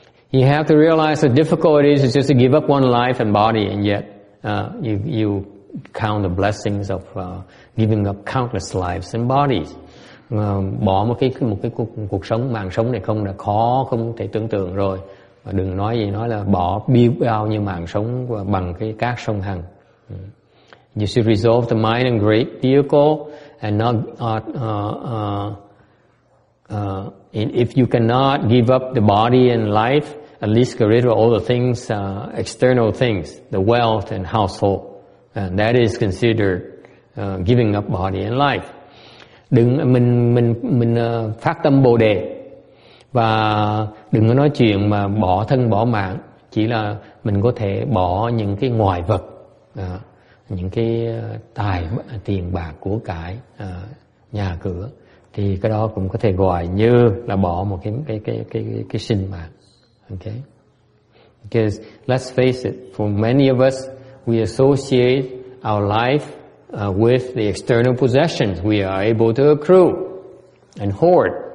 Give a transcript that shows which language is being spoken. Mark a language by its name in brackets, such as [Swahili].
[English] You have to realize the difficulties is just to give up one life and body, and yet you count the blessings of giving up countless lives and bodies. [Vietnamese] Bỏ một cái cuộc sống, mạng sống này không là khó, không thể tưởng tượng rồi. Và đừng nói gì, nói là bỏ bao nhiêu mạng sống bằng cái các sông Hằng. [English] You should resolve the mind and great vehicle and not if you cannot give up the body and life, at least get rid of all the things, external things, the wealth and household, and that is considered giving up body and life. [Vietnamese] Đừng mình phát tâm bồ đề và đừng có nói chuyện mà bỏ thân bỏ mạng, chỉ là mình có thể bỏ những cái ngoại vật, những cái tài tiền bạc của cải, nhà cửa, thì cái đó cũng có thể gọi như là bỏ một cái sinh mạng. [English] Okay, because let's face it, for many of us we associate our life with the external possessions we are able to accrue and hoard.